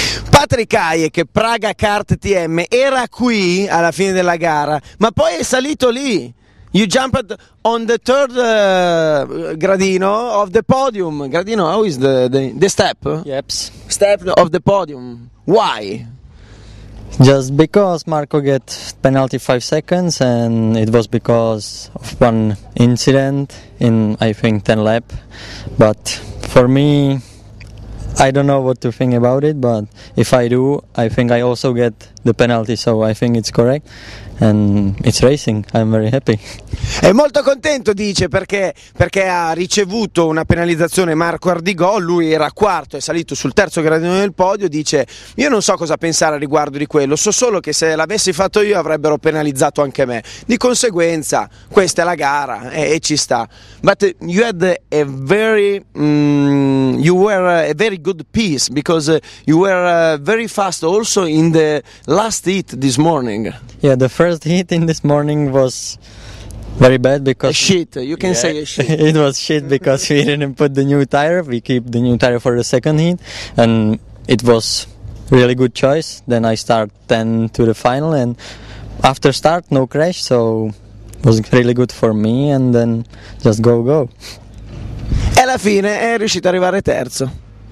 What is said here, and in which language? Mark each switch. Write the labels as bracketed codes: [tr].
[it] Patrik Hajek, Praga Kart TM, era qui alla fine della gara, ma poi è salito lì. [en] You jumped on the third gradino of the podium. Gradino, how is the step? Yep. Step of the podium. Why? Just because Marco get penalty 5 seconds, and it was because of one incident in, I think, 10 lap. But for me, I don't know what to think about it, but if I do, I think I also get the penalty, so I think it's correct. And it's racing, I'm very happy. [it] È molto contento, dice, perché ha ricevuto una penalizzazione Marco Ardigò. Lui era quarto, è salito sul terzo gradino del podio. Dice: io non so cosa pensare riguardo di quello, so solo che se l'avessi fatto io avrebbero penalizzato anche me. Di conseguenza, questa è la gara e ci sta. [en] But you had a very you were a very good piece because you were very fast also in the last heat this morning. Yeah, the first heat in this morning was very bad because shit. It was shit because we didn't put the new tire. We keep the new tire for the second heat, and it was really good choice. Then I start 10 to the final, and after start no crash, so it was really good for me. And then just go. [it] E alla fine è riuscito ad arrivare terzo.